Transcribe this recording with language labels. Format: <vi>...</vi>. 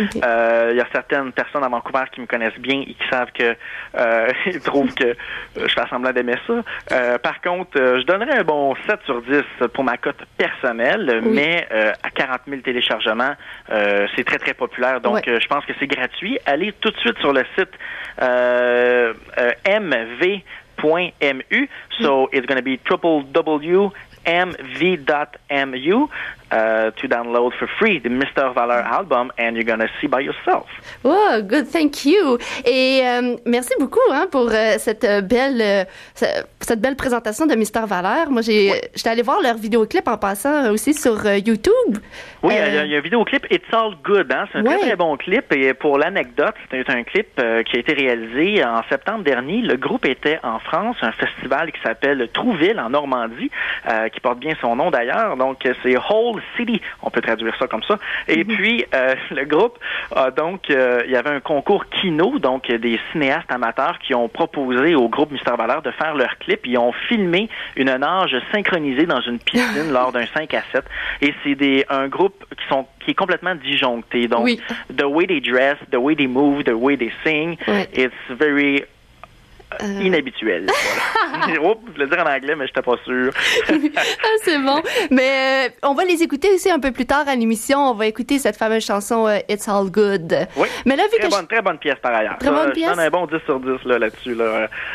<fr>Il y a certaines personnes à Vancouver qui me connaissent bien et qui savent que ils trouvent que je fais semblant d'aimer ça. Par contre, je donnerais un bon 7 sur 10 pour ma cote personnelle, mais à 40 000 téléchargements, c'est très, très populaire. Donc, je pense que c'est gratuit. Allez tout de suite sur le site mv.mu.</fr> <en>So, it's going to be www.mv.mu. To download for free the Mister Valeur album and you're gonna see by yourself. Oh, good, thank you.</en> <fr>Et merci beaucoup pour cette belle présentation de Mister Valeur. Moi, j'étais allée voir leur vidéoclip en passant aussi sur YouTube. Oui, il y a un vidéoclip, It's All Good. Hein? C'est un très, très bon clip. Et pour l'anecdote, c'est un clip qui a été réalisé en septembre dernier. Le groupe était en France, un festival qui s'appelle Trouville en Normandie, qui porte bien son nom d'ailleurs. Donc, c'est Whole City, on peut traduire ça comme ça. Et puis, le groupe a donc, il y avait un concours Kino, donc des cinéastes amateurs qui ont proposé au groupe Mister Valeur de faire leur clip. Ils ont filmé une nage synchronisée dans une piscine lors d'un 5 à 7. Et c'est un groupe qui est complètement disjoncté. Donc, oui.</fr> <en>The way they dress, the way they move, the way they sing,</en> <fr>oui.</fr> <en>It's very...</en> <fr>inhabituel. Voilà. Oups, je voulais dire en anglais, mais je n'étais pas sûre. Ah, c'est bon. Mais on va les écouter aussi un peu plus tard à l'émission. On va écouter cette fameuse chanson It's All Good. Oui. Mais là, très bonne pièce par ailleurs. Très bonne pièce. J'en ai un bon 10 sur 10 là, là-dessus. Là.</fr>